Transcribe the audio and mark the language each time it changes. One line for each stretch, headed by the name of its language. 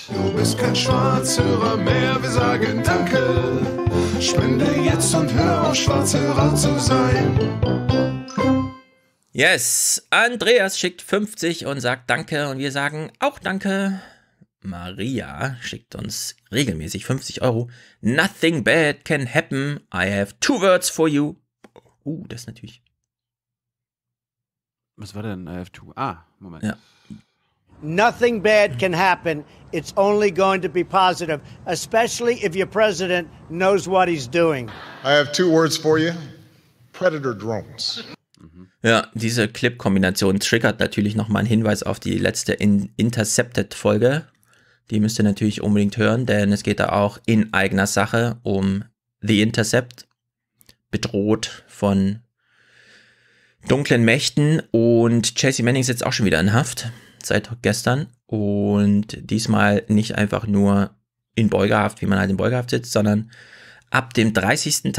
German: Du bist kein Schwarzhörer mehr, wir sagen Danke. Spende jetzt und hör auf, Schwarzhörer zu sein. Yes, Andreas schickt 50 und sagt Danke und wir sagen auch Danke. Maria schickt uns regelmäßig 50 Euro.
English: Nothing bad can happen, I have two words for you.
German: Das natürlich. Was war denn IF2? Ah, Moment. Ja.
English: Nothing bad can happen. It's only going to be positive. Especially if your president knows what he's doing. I have two words for you. Predator drones.
German: Ja, diese Clip-Kombination triggert natürlich nochmal einen Hinweis auf die letzte Intercepted-Folge. Die müsst ihr natürlich unbedingt hören, denn es geht da auch in eigener Sache um The Intercept. Bedroht von dunklen Mächten und Chelsea Manning sitzt auch schon wieder in Haft, seit gestern und diesmal nicht einfach nur in Beugehaft, wie man halt in Beugehaft sitzt, sondern ab dem 30.